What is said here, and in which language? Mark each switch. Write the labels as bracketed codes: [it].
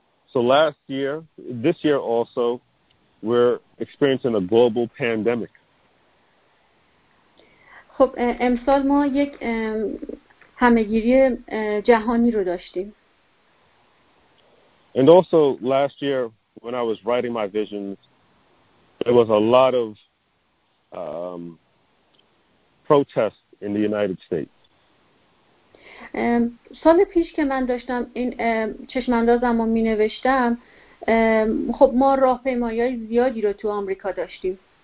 [en] So last year, this year also, we're experiencing a global pandemic. [fa] خب امسال ما یک همه‌گیری جهانی رو داشتیم. [en] And also last year when I was writing my visions, there was a lot of protest in the United States. [fa] سال پیش که من داشتم این چشم‌اندازم رو می‌نوشتم خب ما راهپیمایی‌های زیادی رو تو آمریکا داشتیم.